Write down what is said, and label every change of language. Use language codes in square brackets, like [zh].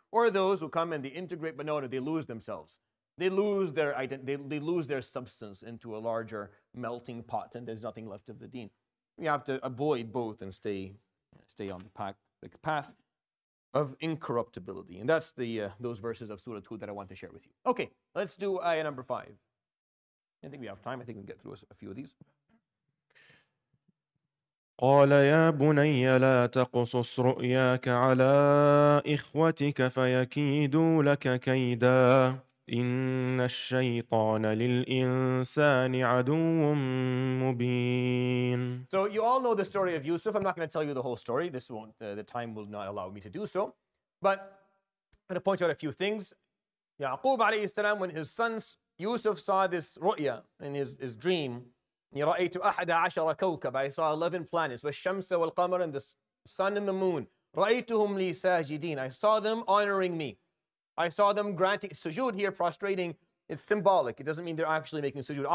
[en] Or those who come and they integrate, but no, they lose themselves. They lose their identity, they lose their substance into a larger melting pot and there's nothing left of the deen. We have to avoid both and stay on the path of incorruptibility. And that's those verses of Surah 2 that I want to share with you. Okay, let's do ayah number 5. I think we have time. I think we can get through a few of these. [ar] قال يا بني لا تقصص رؤياك على إخوتك فيكيدوا لك كيدا إن الشيطان للإنسان عدو مبين. [en] So you all know the story of Yusuf. I'm not going to tell you the whole story. This won't. The time will not allow me to do so. But I'm going to point out a few things. Yaqub alayhi salam, when his sons Yusuf saw this ru'ya in his dream, [ar] يَرَأَيْتُ أَحَدَ عَشَرَ كَوْكَبَ, [en] I saw 11 planets, [ar] وَالشَّمْسَ وَالْقَمَرَ, [en] and the sun and the moon, [ar] رَأَيْتُهُمْ لِي سَاجِدِينَ, [en] I saw them honoring me, I saw them granting sujood here, prostrating, it's symbolic, it doesn't mean they're actually making sujood.